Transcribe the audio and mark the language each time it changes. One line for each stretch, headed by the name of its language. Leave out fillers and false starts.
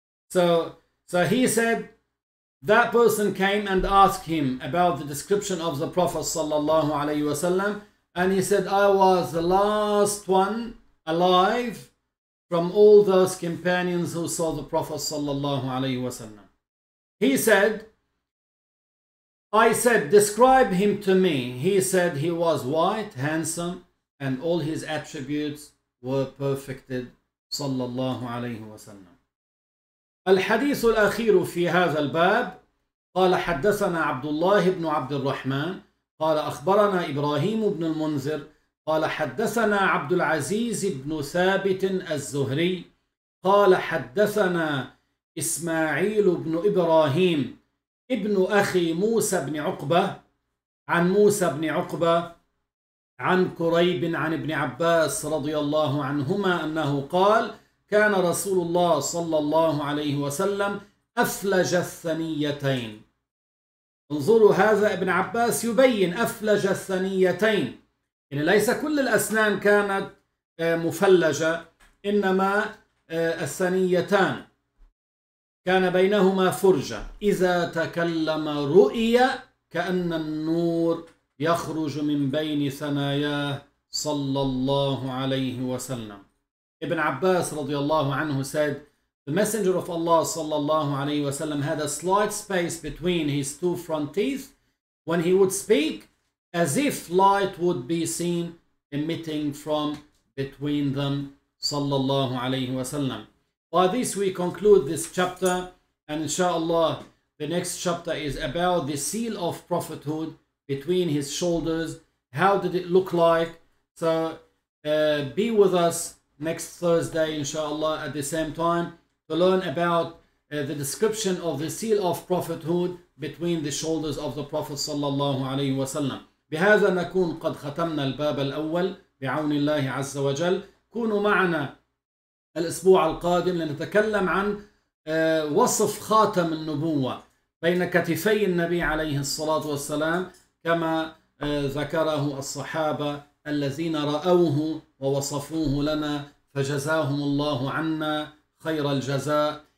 English: So he said, that person came and asked him about the description of the Prophet sallallahu alayhi wa sallam, and he said, I was the last one alive from all those companions who saw the Prophet sallallahu alayhi wa sallam. He said, I said, describe him to me. He said, he was white, handsome, and all his attributes were perfected sallallahu alayhi wa sallam.
Arabic: الحديث الأخير في هذا الباب قال حدثنا عبد الله بن عبد الرحمن قال أخبرنا إبراهيم بن المنذر قال حدثنا عبد العزيز بن ثابت الزهري قال حدثنا إسماعيل بن إبراهيم ابن أخي موسى بن عقبة عن موسى بن عقبة عن كريب عن ابن عباس رضي الله عنهما أنه قال كان رسول الله صلى الله عليه وسلم أفلج الثنيتين. انظروا هذا ابن عباس يبين أفلج الثنيتين. يعني ليس كل الأسنان كانت مفلجة، إنما الثنيتان كان بينهما فرجة. إذا تكلم رؤيا كأن النور يخرج من بين ثناياه صلى الله عليه وسلم.
English: Ibn Abbas radiallahu anhu said, the Messenger of Allah sallallahu alayhi wa sallam had a slight space between his two front teeth when he would speak, as if light would be seen emitting from between them sallallahu alayhi wa sallam. By this, we conclude this chapter, and inshallah, the next chapter is about the seal of prophethood between his shoulders. How did it look like? So be with us next Thursday, inshallah, at the same time to learn about the description of the seal of prophethood between the shoulders of the Prophet sallallahu alayhi wa sallam.
Arabic: بهذا نكون قد ختمنا الباب الأول بعون الله عز وجل. كونوا معنا الأسبوع القادم لنتكلم عن وصف خاتم النبوة بين كتفي النبي عليه الصلاة والسلام كما ذكره الصحابة الذين رأوه ووصفوه لنا فجزاهم الله عنا خير الجزاء.